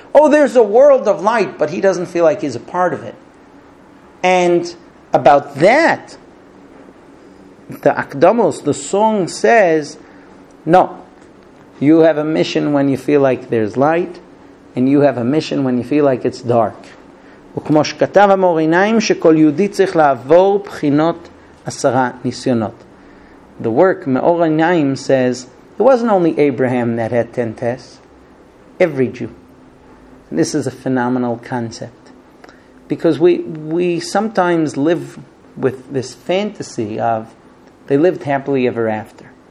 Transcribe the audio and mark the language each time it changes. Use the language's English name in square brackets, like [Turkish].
[English] Oh, there's a world of light, but he doesn't feel like he's a part of it. And about that, the Akdamos, the song says, no, you have a mission when you feel like there's light, and you have a mission when you feel like it's dark. [Hebrew] וכמו שכתב המורינאים שכל יהודי צריך לעבור בחינות עשרה ניסיונות. [English] The work, מאור עיניים, says, it wasn't only Abraham that had 10 tests. Every Jew. And this is a phenomenal concept. Because we sometimes live with this fantasy of they lived happily ever after.